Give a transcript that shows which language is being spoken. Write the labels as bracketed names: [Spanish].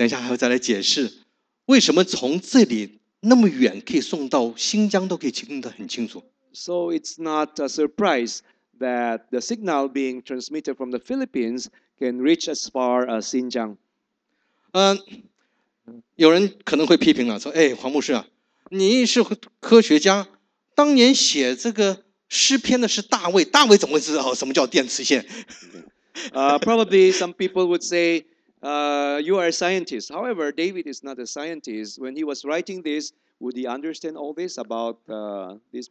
[Chinese] 所以不单单如此，等一下还会再来解释为什么从这里。那么远可以送到新疆都可以听得很清楚。 [English] So it's not a surprise that the signal being transmitted from the Philippines can reach as far as Xinjiang. [Chinese] 有人可能会批评了，说：“哎，黄牧师啊，你是科学家，当年写这个诗篇的是大卫，大卫怎么会知道什么叫电磁线？” [English] probably some people would say, you are a scientist. However, David is not a scientist. When he was writing this, would he understand all this about this